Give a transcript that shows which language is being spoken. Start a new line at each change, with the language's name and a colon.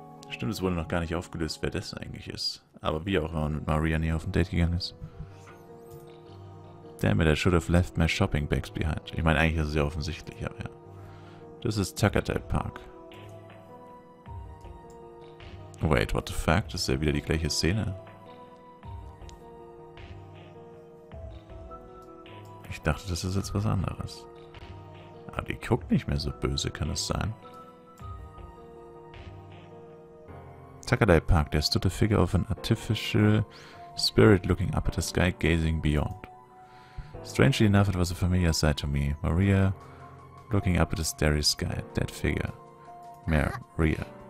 German: Stimmt, es wurde noch gar nicht aufgelöst, wer das eigentlich ist. Aber wie auch immer mit Maria nie auf ein Date gegangen ist.
English: Damn it, I should have left my shopping bags behind.
German: Ich meine, eigentlich ist es ja offensichtlich, aber ja. Das ist Tuckertail Park.
English: Wait, what the fuck?
German: Das ist ja wieder die gleiche Szene. Ich dachte, das ist jetzt was anderes. Aber die guckt nicht mehr so böse, kann das sein?
English: Takadai Park, there stood a figure of an artificial spirit looking up at the sky, gazing beyond. Strangely enough, it was a familiar sight to me. Maria looking up at the starry sky, that figure. Maria.